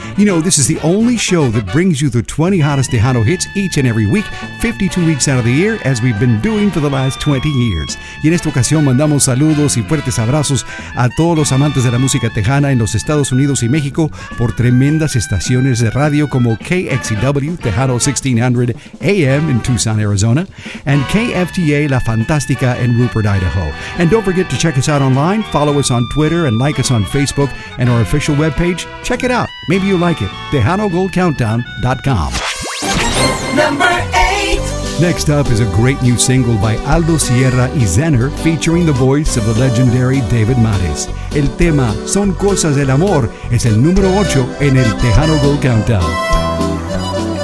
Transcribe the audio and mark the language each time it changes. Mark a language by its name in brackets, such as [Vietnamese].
[English] You know, this is the only show that brings you the 20 hottest Tejano hits each and every week, 52 weeks out of the year, as we've been doing for the last 20 years. [Spanish] Y en esta ocasión mandamos saludos y fuertes abrazos a todos los amantes de la música tejana en los Estados Unidos y México por tremendas estaciones de radio como KXEW Tejano 1600 AM [English] in Tucson, Arizona, and [Spanish] KFTA La Fantástica in Rupert, Idaho. [English] And don't forget to check us out online, follow us on Twitter, and like us on Facebook and our official webpage. Check it out. Maybe you'll like it. TejanoGoldCountdown.com. Number 8. Next up is a great new single by Aldo Sierra y Zener featuring the voice of the legendary David Mares. [Spanish] El tema Son Cosas del Amor es el número 8 en el Tejano Gold Countdown.